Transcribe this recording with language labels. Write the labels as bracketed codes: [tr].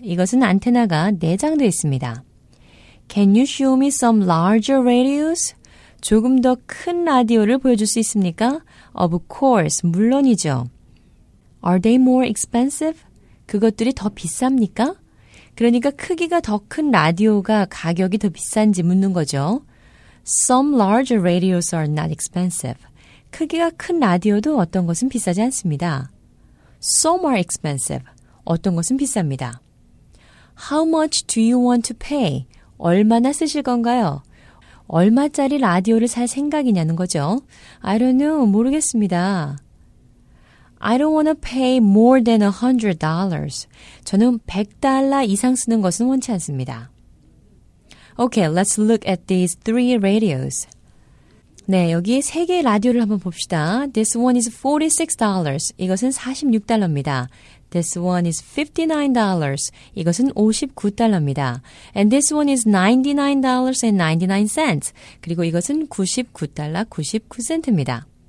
[ko] 이것은 안테나가 내장되어 있습니다. [en] Can you show me some larger radios? [ko] 조금 더 큰 라디오를 보여줄 수 있습니까? [en] Of course, [ko] 물론이죠. [en] Are they more expensive? [ko] 그것들이 더 비쌉니까? 그러니까 크기가 더 큰 라디오가 가격이 더 비싼지 묻는 거죠. [en] Some larger radios are not expensive. [ko] 크기가 큰 라디오도 어떤 것은 비싸지 않습니다. [en] Some are expensive. [ko] 어떤 것은 비쌉니다. [en] How much do you want to pay? [ko] 얼마나 쓰실 건가요? 얼마짜리 라디오를 살 생각이냐는 거죠. I don't know. 모르겠습니다. [en] I don't want to pay more than $100. [ko] 저는 $100 이상 쓰는 것은 원치 않습니다. [en] Okay, let's look at these three radios. [ko] 네, 여기 세 개의 라디오를 한번 봅시다. [en] This one is $46. [ko] 이것은 $46입니다. [en] This one is $59. [ko] 이것은 $59입니다. [en] And this one is $99.99. [ko] 그리고 이것은 $99.99입니다.